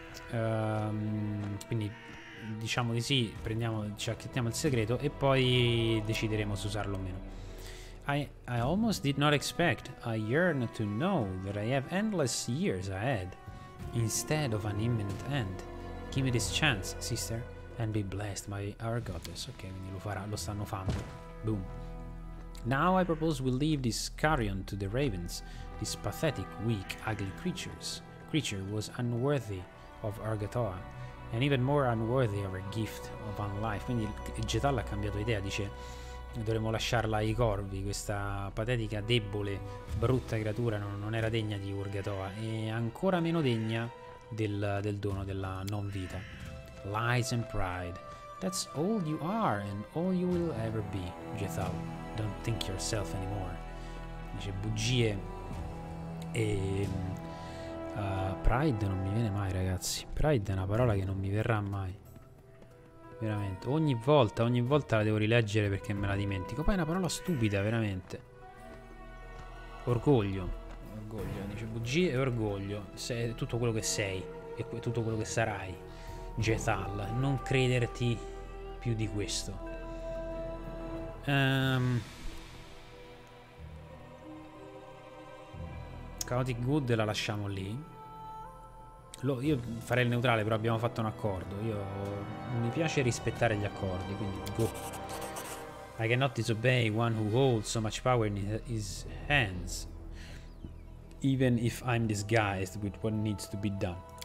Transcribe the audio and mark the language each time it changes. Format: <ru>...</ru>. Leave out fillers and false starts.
<it>Quindi diciamo di sì, ci accettiamo il segreto e poi decideremo se usarlo o meno.</it> <en>I almost did not expect. I yearn to know that I have endless years ahead instead of an imminent end. Give me this chance, sister, and be blessed by our goddess.</en> <it>Ok, quindi lo farà, lo stanno fando.</it> <en>Boom. Now I propose we leave this carrion to the ravens. This pathetic, weak, ugly creature was unworthy of Argatoa, and even more unworthy of a gift of one life.</en> <it>Quindi Jethal ha cambiato idea, dice, dovremmo lasciarla ai corvi, questa patetica, debole, brutta creatura non era degna di Urgatoa, e ancora meno degna del dono della non vita.</it> <en>Lies and pride, that's all you are and all you will ever be, Jethal. Don't think yourself anymore.</en> <it>Dice, bugie e pride non mi viene mai, ragazzi. Pride è una parola che non mi verrà mai. Veramente. Ogni volta la devo rileggere perché me la dimentico. Poi è una parola stupida, veramente. Orgoglio. Orgoglio. Dice, bugie e orgoglio. Sei tutto quello che sei e tutto quello che sarai, Jethal. Non crederti più di questo. Chaotic Good la lasciamo lì. Io farei il neutrale, però abbiamo fatto un accordo. Mi piace rispettare gli accordi, quindi go.</it> <en>I cannot disobey one who holds so much power in his hands, even if I'm disguised with what needs to be done.</en>